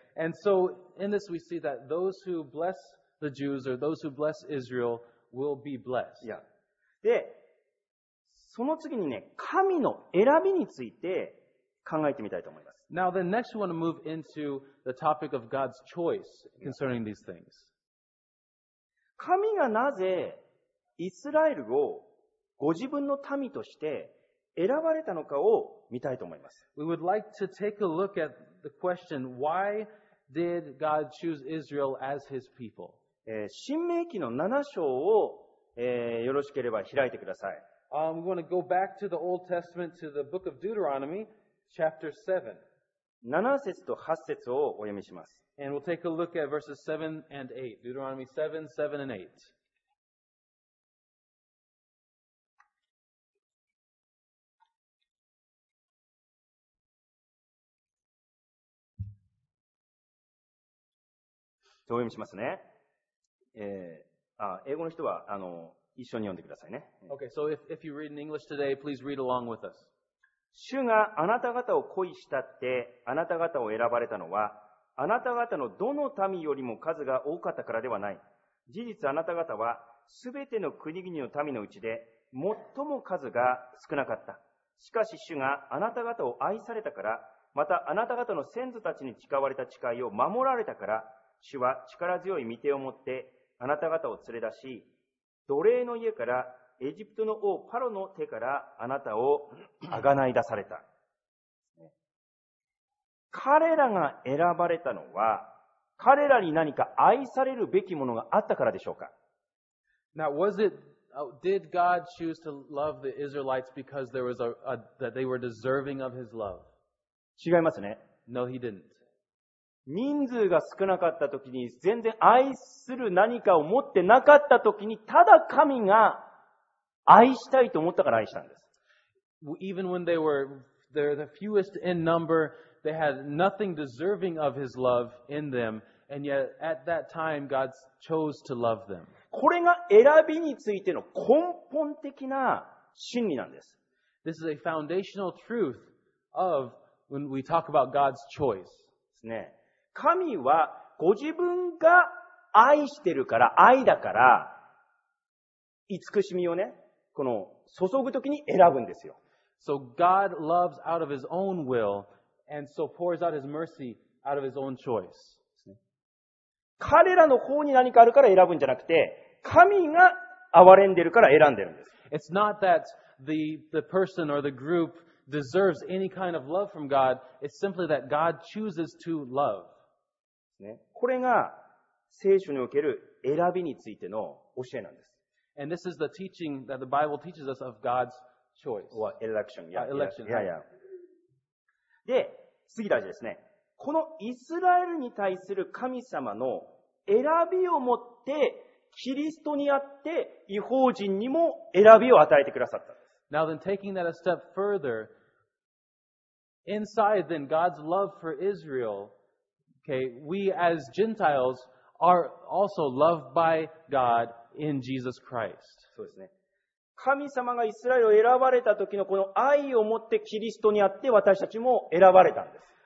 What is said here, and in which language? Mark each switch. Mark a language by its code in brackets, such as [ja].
[en] And so, in this we see that those who bless the Jews or those who bless Israel will be blessed. Yeah. [ja] で、その次にね、神の選びについて、考えてみたいと思います。 [en] Now then, next we want to move into the topic of God's choice concerning these things. [ja] 神がなぜイスラエルをご自分の民として選ばれたのかを見たいと思います。 [en] We would like to take a look at the question, why did God choose Israel as his people? [ja] 申命記の7章を、よろしければ開いてください。 [en] We want to go back to the Old Testament, to the book of Deuteronomy. Chapter 7. [ja] 7節と8節をお読みします。 [en] And we'll take a look at verses 7 and 8. Deuteronomy 7, 7 and 8. [ja] じゃあお読みしますね。英語の人は一緒に読んでくださいね。 [en] Okay, so if you read in English today, please read along with us. [ja] 主があなた方を恋したってあなた方を選ばれたのはあなた方のどの民よりも数が多かったからではない。事実あなた方はすべての国々の民のうちで最も数が少なかった。しかし主があなた方を愛されたからまたあなた方の先祖たちに誓われた誓いを守られたから主は力強い御手を持ってあなた方を連れ出し奴隷の家からエジプトの王ファロの手からあなたを贖い出された。彼らが選ばれたのは、彼らに何か愛されるべきものがあったからでしょうか。 [en] Now, was it, did God choose to love the Israelites because there was that they were deserving of his love? [ja] 違いますね。 [en] No, he didn't. [ja] 人数が少なかったときに、全然愛する何かを持ってなかったときに、ただ神が愛したいと思ったから愛したんです。 [en] Even when they were the fewest in number, they had nothing deserving of his love in them, and yet at that time God chose to love them. [ja] これが選びについての根本的な真理なんです。 [en] This is a foundational truth of when we talk about God's choice. [ja] ですね。神はご自分が愛してるから、愛だから、慈しみをね、この注ぐときに選ぶんですよ。 [en] So God loves out of his own will and so pours out his mercy out of his own choice. [ja] 彼らの方に何かあるから選ぶんじゃなくて、神が憐れんでるから選んでるんです。 [en] It's not that the person or the group deserves any kind of love from God. It's simply that God chooses to love. [ja] これが聖書における選びについての教えなんです。 [en] And this is the teaching that the Bible teaches us of God's choice. Or election. Yeah, election. Yeah, yeah. [ja] で、次大事ですね。このイスラエルに対する神様の選びをもって、キリストにあって、異邦人にも選びを与えてくださった。 [en] Now then, taking that a step further, inside then God's love for Israel, okay, we as Gentiles are also loved by God. In Jesus Christ. [ja] そうですね。神様がイスラエルを選ばれた時のこの愛を持ってキリストにあって私たちも選ばれたんです。